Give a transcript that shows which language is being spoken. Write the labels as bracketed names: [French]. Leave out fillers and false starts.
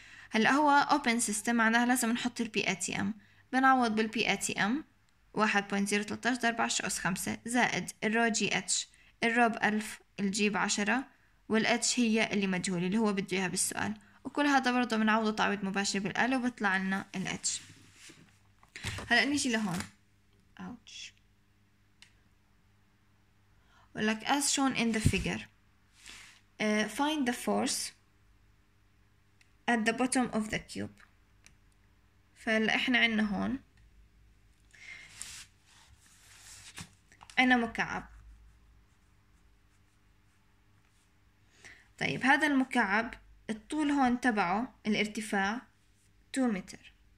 [Arabic] هلأ هو open system معناها لازم نحط الـ PATM، بنعوض بالـ PATM 1.013 × 10^5 زائد الـ rho gh، الروب 1000 الجيب 10 والاتش هي اللي مجهول اللي هو بده اياها بالسؤال، وكل هذا برضه بنعوضه تعويض مباشر بالآلة وبيطلع لنا الاتش. هلا نيجي لهون اوتش ولك [English] as shown in the figure find the force at the bottom of the cube. [Arabic] فاحنا عندنا هون عندنا مكعب. طيب هذا المكعب الطول هون تبعه الارتفاع 2 متر.